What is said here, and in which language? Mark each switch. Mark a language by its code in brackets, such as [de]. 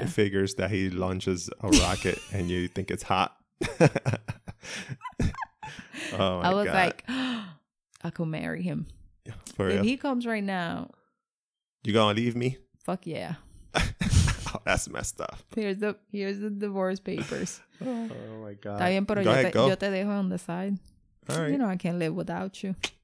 [en] It figures that he launches a rocket and you think it's hot. Oh my I was God. Like, oh, I could marry him. For if real? He comes right now. You gonna leave me? Fuck yeah. Oh, that's messed up. Here's the divorce papers. Oh my God. [es] Está bien, pero [en] go ahead, [es] yo te dejo [en] on the side. All right. You know I can't live without you.